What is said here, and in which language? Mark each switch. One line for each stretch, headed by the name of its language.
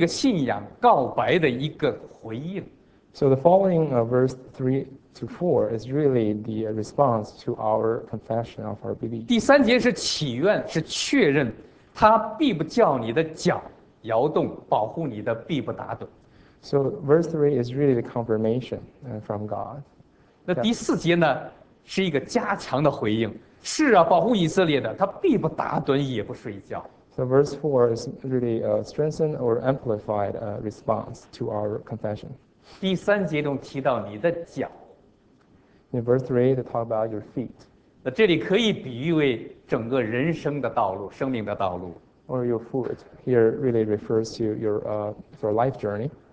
Chinese: 那接下来的第三、第四节，是我们对我们这个信仰告白的一个回应。
English: So the following verse 3 to 4 is really the response to our confession of our belief.
Chinese: 第三节是祈愿，是确认，他必不叫你的脚摇动，保护你的必不打盹。
English: So verse 3 is really the confirmation from God.
Chinese: 那第四节呢，是一个加强的回应。是啊，保护以色列的，他必不打盹，也不睡觉。
English: So verse 4 is really a strengthened or amplified response to our confession.
Chinese: 第三节中提到你的脚。
English: In verse 3, they talk about your feet.
Chinese: 那这里可以比喻为整个人生的道路，生命的道路。
English: Or your foot. Here really refers to your life journey.